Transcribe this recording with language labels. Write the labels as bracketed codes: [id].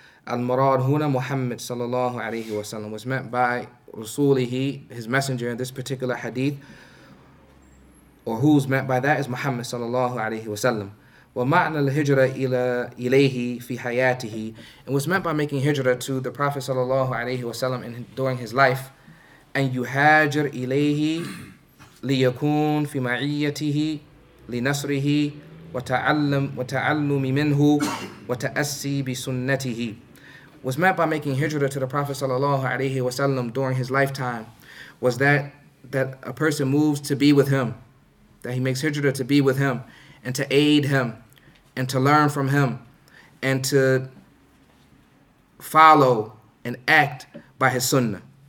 [en] Al murad huna Muhammad sallallahu alayhi wa sallam, was meant by rasulihi, his messenger in this particular hadith, or who's meant by that is Muhammad sallallahu alayhi wa sallam. [ar] Wa ma'na al hijra ila ilayhi fi hayatihi, [en] and was meant by making hijra to the Prophet sallallahu alayhi wa sallam during his life. [ar] And yuhajir ilayhi ليكون في معيته لنصره وتعلم وتعلم منه وتأسي بسنته. [en] Was meant by making hijrah to the Prophet sallallahu alaihi wasallam during his lifetime was that a person moves to be with him, that he makes hijrah to be with him and to aid him and to learn from him and to follow and act by his sunnah.